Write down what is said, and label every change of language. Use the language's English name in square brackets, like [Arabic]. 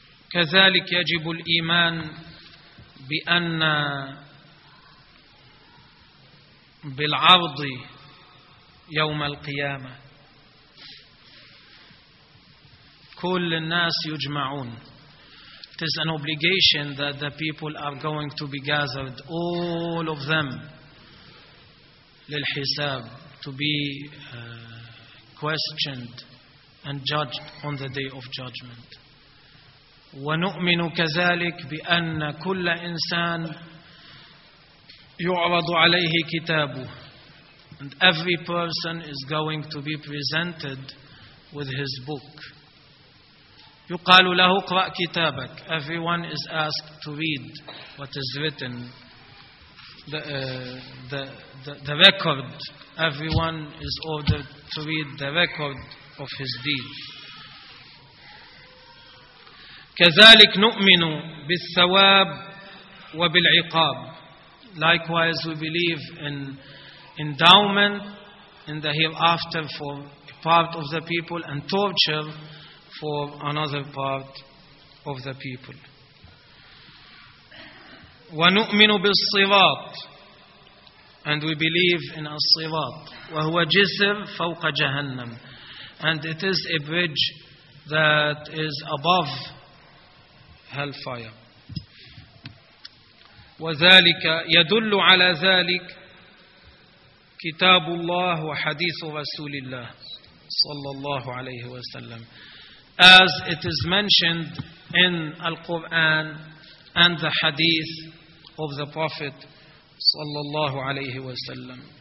[Arabic] كذلك يجب الإيمان بأن بالعرض يوم القيامة كل الناس يجمعون. [English] It is an obligation that the people are going to be gathered, all of them, [Arabic] للحساب, [English] to be questioned and judged on the day of judgment. [Arabic] ونؤمن كذلك بأن كل إنسان يعرض عليه كتابه, [English] and every person is going to be presented with his book. [Arabic] يقال له اقرأ كتابك. [English] Everyone is asked to read what is written, the record. Everyone is ordered to read the record of his deed. [Arabic] كذلك نؤمن بالثواب وبالعقاب. [English] Likewise, we believe in endowment in the hereafter for part of the people and torture for another part of the people. [Arabic] ونؤمن بالصراط, [English] and we believe in الصراط, [Arabic] وهو جسر فوق جهنم, [English] and it is a bridge that is above hellfire. [Arabic] وذلك يدل على ذلك كتاب الله وحديث رسول الله صلى الله عليه وسلم, [English] as it is mentioned in Al-Quran and the hadith of the Prophet [Arabic] صلى الله عليه وسلم.